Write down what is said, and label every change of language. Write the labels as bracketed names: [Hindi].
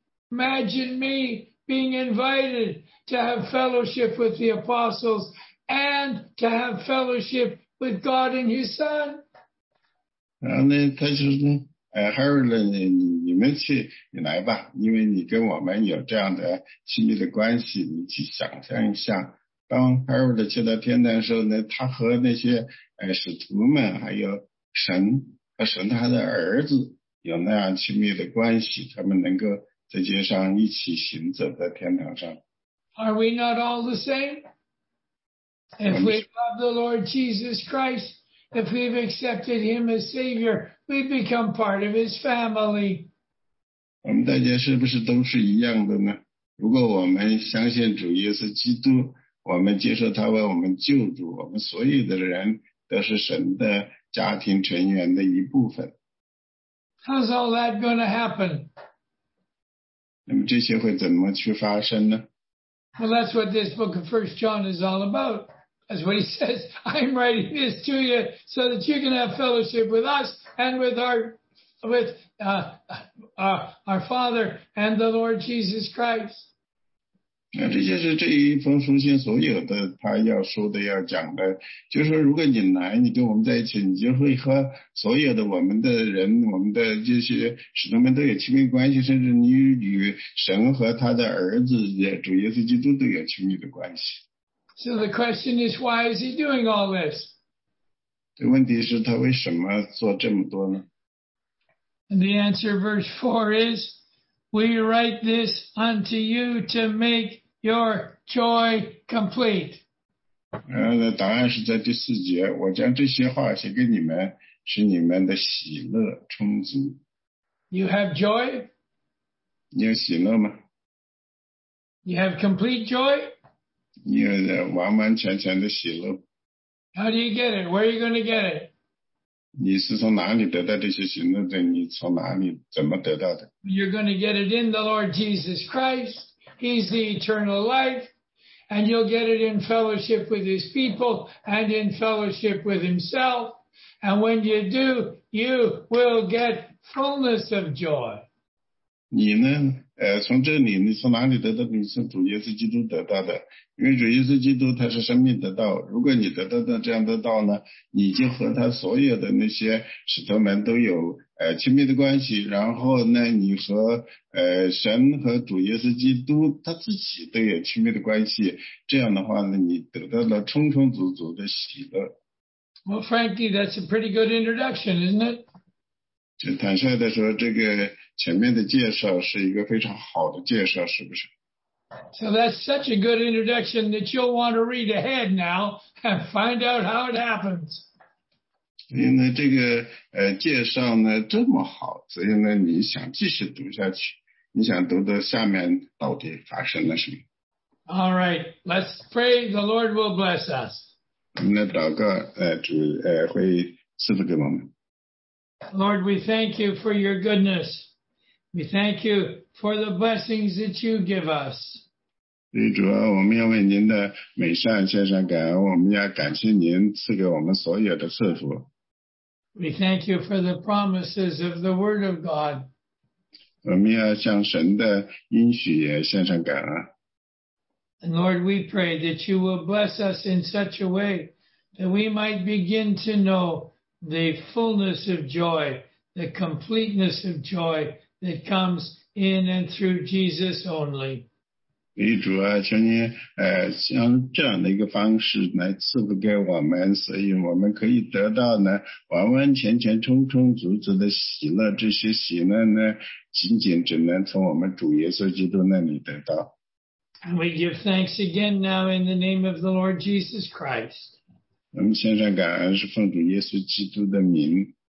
[English] Imagine me being invited to have fellowship with the apostles and to have fellowship with God and His Son. [Chinese] 然后呢，他就说，哎 ，Harold， 你来吧，因为你跟我们有这样的亲密的关系，你去想象一下，当 Harold 去到天堂的时候呢，他和那些使徒们，还有神和神他的儿子有那样亲密的关系，他们能够在街上一起行走在天堂上。 [English] Are we not all the same? If we love the Lord Jesus Christ, if we've accepted Him as Savior, we become part of His family. [Chinese] 我们大家是不是都是一样的呢？如果我们相信主耶稣基督，我们接受他为我们救主，我们所有的人都是神的家庭成员的一部分。 [English] How's all that going to happen? [Chinese] 那么这些会怎么去发生呢 [English] ？Well, that's what this book of 1 John is all about. That's what he says. I'm writing this to you so that you can have fellowship with us and with our Father and the Lord Jesus Christ. [Chinese] 那这就是这一封书信所有的他要说的要讲的，就是说如果你来，你跟我们在一起，你就会和所有的我们的人，我们的这些使徒们都有亲密关系，甚至你与神和他的儿子主耶稣基督都有亲密的关系。 [English] So the question is, why is he doing all this? [Chinese] 问题是他为什么做这么多呢？ [English] And the answer, verse 4 is, we write this unto you to make your joy complete. [Chinese] 答案是在第四节，我将这些话写给你们，使你们的喜乐充足。 [English] You have joy? [Chinese] 你有喜乐吗？ [English] You have complete joy? [Chinese] 你有完完全全的喜乐。 [English] How do you get it? Where are you going to get it? [Chinese] 你是从哪里得到这些喜乐的？你从哪里怎么得到的？ [English] You're going to get it in the Lord Jesus Christ. He's the eternal life. And you'll get it in fellowship with his people and in fellowship with himself. And when you do, you will get fullness of joy. [Chinese] 你呢？从这里，你从哪里得到？你从主耶稣基督得到的，因为主耶稣基督他是生命的道。如果你得到的这样的道呢，你就和他所有的那些使徒们都有亲密的关系，然后呢，你和神和主耶稣基督他自己都有亲密的关系。这样的话呢，你得到了充充足足的喜乐。 [English] Well, frankly, that's a pretty good introduction, isn't it? [Chinese] 就坦率地说，这个前面的介绍是一个非常好的介绍，是不是？ [English] So that's such a good introduction that you'll want to read ahead now and find out how it happens. [Chinese] 所以呢，这个介绍呢这么好，所以呢你想继续读下去，你想读到下面到底发生了什么？ [English] All right, let's pray the Lord will bless us. [Chinese] 我们来祷告，主会赐福给我们。 [English] Lord, we thank you for your goodness. We thank you for the blessings that you give us. [Chinese] 对主啊，我们要为您的美善献上感恩，我们要感谢您赐给我们所有的赐福。 [English] We thank you for the promises of the Word of God. [Chinese] 我们要向神的应许也献上感恩。 [English] And Lord, we pray that you will bless us in such a way that we might begin to knowThe fullness of joy, the completeness of joy that comes in and through Jesus only. [Chinese] 你主啊，求你像这样的一个方式来赐福给我们，所以我们可以得到呢完完全全充充足足的喜乐。这些喜乐呢，仅仅只能从我们主耶稣基督那里得到。 [English] And we give thanks again now in the name of the Lord Jesus Christ. [Chinese] 我们献上感恩是奉主耶稣基督的名。